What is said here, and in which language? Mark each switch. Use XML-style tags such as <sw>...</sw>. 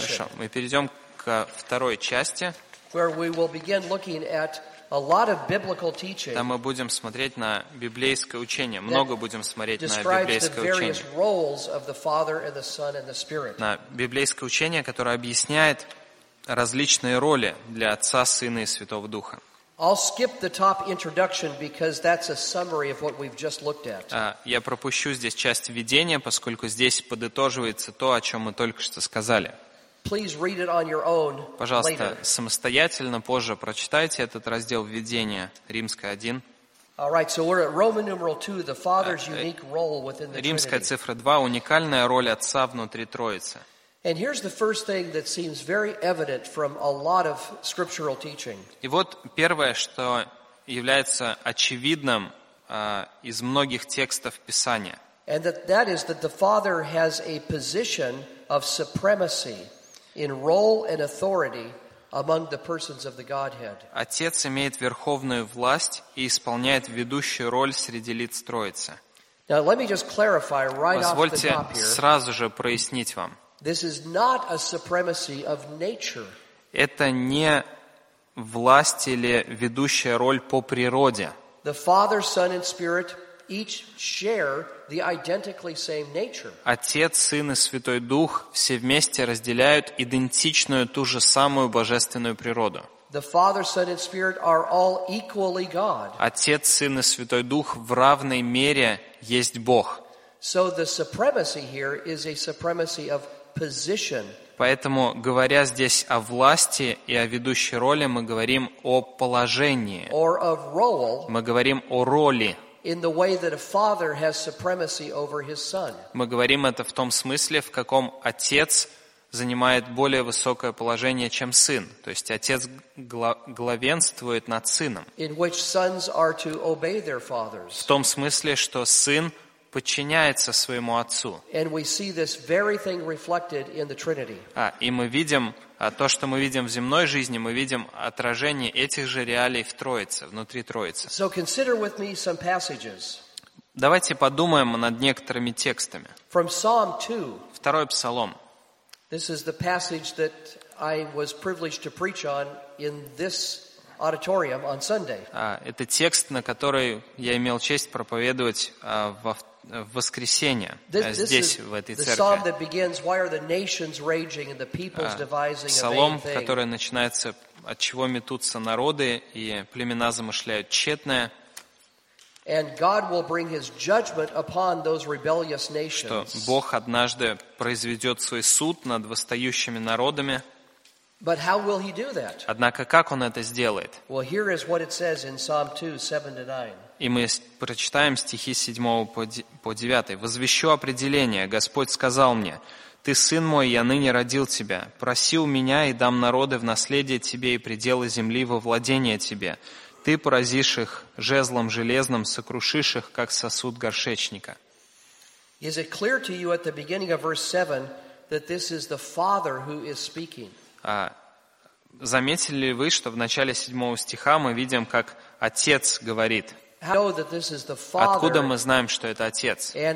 <ru>Хорошо, мы перейдем ко второй части,</ru> <en>where we will begin looking at a lot of biblical teaching.</en> <ru>Там мы будем смотреть на библейское учение. Много будем смотреть на библейское учение.</ru> <en>Describes the various roles of the Father and the Son and the Spirit.</en> <ru>На библейское учение, которое объясняет различные роли для Отца, Сына и Святого Духа.</ru> <en>I'll skip the top introduction because that's a summary of what we've just looked at.</en> <ru>Я пропущу здесь часть введения, поскольку здесь подытоживается то, о чем мы только что сказали.</ru> <en>Please read it on your own.</en> <ru>Пожалуйста, самостоятельно позже прочитайте этот раздел введения, Римская 1.</ru> <en>All right, so we're at Roman numeral 2, the Father's unique role within the Trinity.</en> <ru>Римская цифра 2, уникальная роль Отца внутри Троицы.</ru> <en>And here's the first thing that seems very evident from a lot of scriptural teaching.</en> <ru>И вот первое, что является очевидным из многих текстов Писания.</ru> <en>And that is that the Father has a position of supremacy in role and authority among the persons of the Godhead.</en> <ru>Отец имеет верховную власть и исполняет ведущую роль среди лиц Троицы.</ru> <en>Now let me just clarify right off the top here.</en> <ru>Позвольте сразу же прояснить вам.</ru> <en>This is not a supremacy of nature.</en> <ru>Это не власть или ведущая роль по природе.</ru> <en>The Father, Son, and Spirit each share the identically same nature.</en> <ru>Отец, Сын и Святой Дух все вместе разделяют идентичную ту же самую божественную природу.</ru> <en>The Father, Son, and Spirit are all equally God.</en> <ru>Отец, Сын и Святой Дух в равной мере есть Бог.</ru> <en>So the supremacy here is a supremacy of position.</en> <ru>Поэтому, говоря здесь о власти и о ведущей роли, мы говорим о положении.</ru> <en>Or of role.</en> <ru>Мы говорим о роли.</ru> <en>In the way that a father has supremacy over his son.</en> <ru>Мы говорим это в том смысле, в каком отец занимает более высокое положение, чем сын. То есть отец главенствует над сыном.</ru> <en>In which sons are to obey their fathers.</en> <ru>В том смысле, что сын подчиняется своему Отцу.</ru> <en>And we see this very thing reflected in the Trinity.</en> <ru>И мы видим, то, что мы видим в земной жизни, мы видим отражение этих же реалий в Троице, внутри Троицы.</ru> <en>So consider with me some passages.</en> <ru>Давайте подумаем над некоторыми текстами.</ru> <en>From Psalm 2.</en> <ru>Второй Псалом.</ru> <en>This is the passage that I was privileged to preach on in this auditorium on Sunday.</en> <ru>Это текст, на который я имел честь проповедовать в воскресенье, здесь, в этой церкви. Псалом, который начинается, от чего метутся народы, и племена замышляют тщетное, что Бог однажды произведет свой суд над восстающими народами.</ru> <en>But how will he do that?</en> <ru>Однако как он это сделает?</ru> <en>Well, here is what it says in Psalm 2, 7 to 9.</en> <ru>И мы прочитаем стихи с 7 по 9. «Возвещу определение. Господь сказал мне, Ты, Сын мой, я ныне родил Тебя. Проси у Меня, и дам народы в наследие Тебе и пределы земли во владение Тебе. Ты поразишь их жезлом железным, сокрушишь их, как сосуд горшечника».</ru> <en>Is it clear to you at the beginning of verse 7 that this is the Father who is speaking?</en> <ru>Заметили ли вы, что в начале 7 стиха мы видим, как Отец говорит? Откуда мы знаем, что это Отец?</ru>